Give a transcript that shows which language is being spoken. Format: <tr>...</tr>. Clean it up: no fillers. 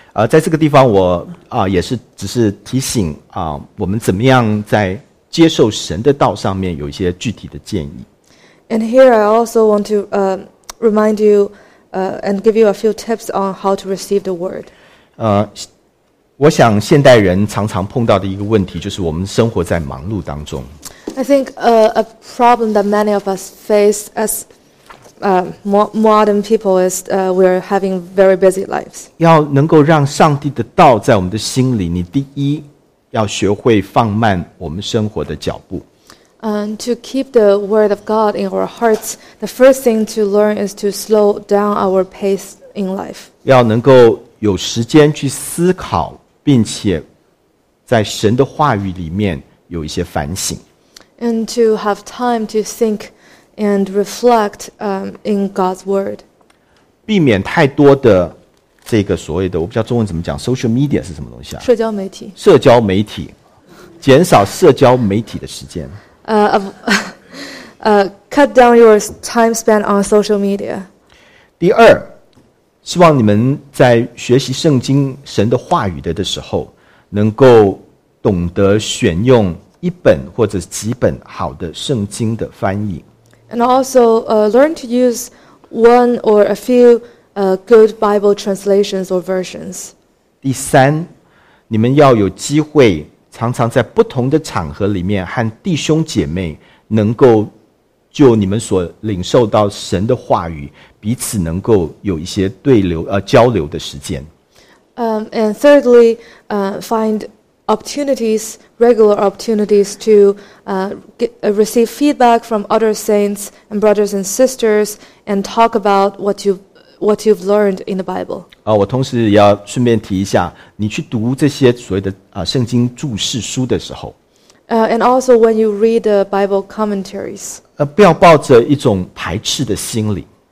<zh>在这个地方我也是只是提醒我们怎么样在接受神的道上面有一些具体的建议。</zh> <en>And here I also want to remind you and give you a few tips on how to receive the word.</en> <zh>我想现代人常常碰到的一个问题就是我们生活在忙碌当中。</zh> <en>I think a problem that many of us face as modern people is we are having very busy lives.</en> <zh>要能够让上帝的道在我们的心里，你第一要学会放慢我们生活的脚步。</zh> <en>To keep the word of God in our hearts, the first thing to learn is to slow down our pace in life.</en> <zh>要能够有时间去思考，并且在神的话语里面有一些反省。</zh> <en>And to have time to think. And reflect in God's word.</en> <zh>避免太多的这个所谓的，我不知道中文怎么讲 ，social media 是什么东西啊？社交媒体。社交媒体，减少社交媒体的时间。</zh> <en>Cut down your time spent on social media.</en> <zh>第二，希望你们在学习圣经神的话语的时候，能够懂得选用一本或者几本好的圣经的翻译。</zh> <en>And also, learn to use one or a few, good Bible translations or versions.</en> <zh>第三，你们要有机会常常在不同的场合里面和弟兄姐妹能够就你们所领受到神的话语彼此能够有一些对流交流的时间。</zh> <en>And thirdly, find opportunities, regular opportunities to receive feedback from other saints and brothers and sisters and talk about what you've learned in the Bible.</en> <zh>我同时要顺便提一下，你去读这些所谓的圣经注释书的时候。</zh> <en>And also when you read the Bible commentaries.</en> <zh>不要抱着一种排斥的心理。</zh>